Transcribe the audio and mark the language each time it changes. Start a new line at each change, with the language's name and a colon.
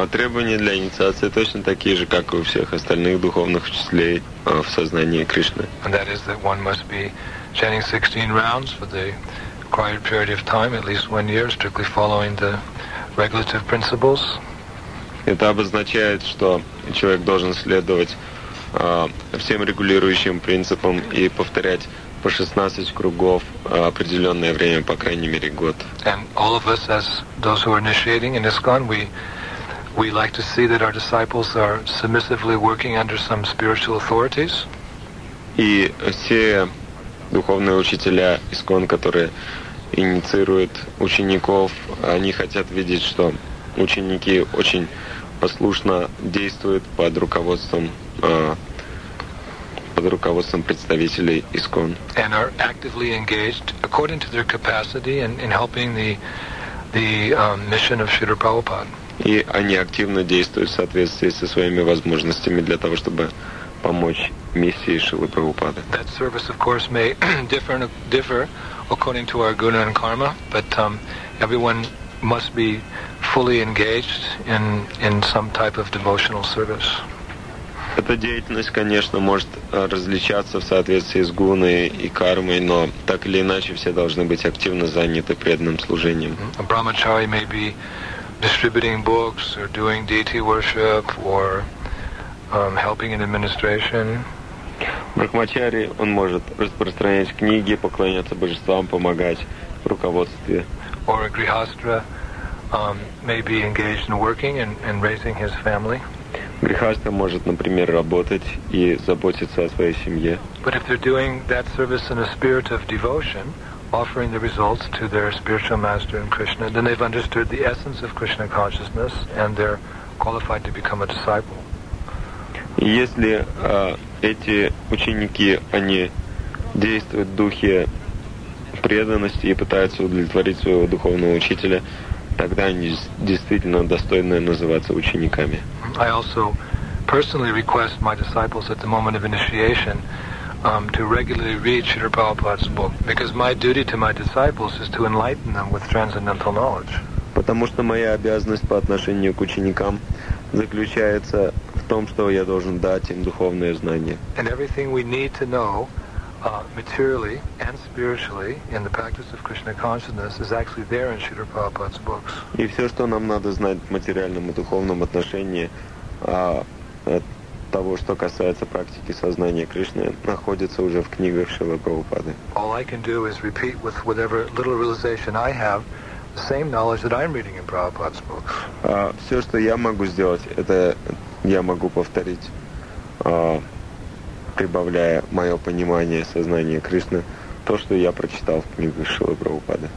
Russian: Требования для инициации точно такие же, как и у всех остальных духовных учителей в сознании Кришны.
English: And that is that one must be chanting 16 rounds for the required period of time, at least one year, strictly following the regulative principles.
Russian: Это обозначает, что человек должен следовать всем регулирующим принципам и повторять по 16 кругов определенное время, по крайней мере, год.
English: And all of us, as those who are initiating in ISKCON, we like to see that our disciples are submissively working under some spiritual authorities.
Russian: И все духовные учителя ИСКОН, которые инициируют учеников, они хотят видеть, что ученики очень послушно действуют под руководством представителей ИСКОН.
English: And are actively engaged according to their capacity in helping the mission of Śrīla Prabhupāda.
Russian: И они активно действуют в соответствии со своими возможностями для того, чтобы помочь миссии Шрилы Прабхупады.
English: That service, of course, may differ according to our guna and karma, but everyone must be fully engaged in some type of devotional service.
Russian: Эта деятельность, конечно, может различаться в соответствии с гуной и кармой, но так или иначе все должны быть активно заняты преданным служением.
English: A brahmachari may be distributing books or doing deity worship or helping in administration.
Russian: Брахмачари, он может распространять книги, поклоняться божествам, помогать в руководстве.
English: Or a grihastha may be engaged in working and raising his family.
Russian: Грихастха может, например, работать и заботиться о своей семье.
English: But if they're doing that service in a spirit of devotion, offering the results to their spiritual master in Krishna, then they've understood the essence of Krishna consciousness and they're qualified to become a disciple.
Russian: Если эти ученики, они действуют в духе преданности и пытаются удовлетворить своего духовного учителя, тогда они действительно достойны называться учениками.
English: I also personally request my disciples at the moment of initiation to regularly read Śrīla Prabhupāda's book, because my duty to my disciples is to enlighten them with transcendental knowledge.
Russian: Потому что моя обязанность по отношению к ученикам заключается в том, что я должен дать им духовное знание.
English: And everything we need to know materially and spiritually in the practice of Krishna consciousness is actually there in Śrīla Prabhupāda's books.
Russian: И все, что нам надо знать в материальном и духовном отношении, того, что касается практики сознания Кришны, находится уже в книгах Шрилы Прабхупады.
English: All I can do is repeat with whatever little realization I have the same knowledge that I'm reading in Prabhupada's books.
Russian: Все, что я могу сделать, это я могу повторить, прибавляя мое понимание сознания Кришны, то, что я прочитал в книгах Шрилы Прабхупады.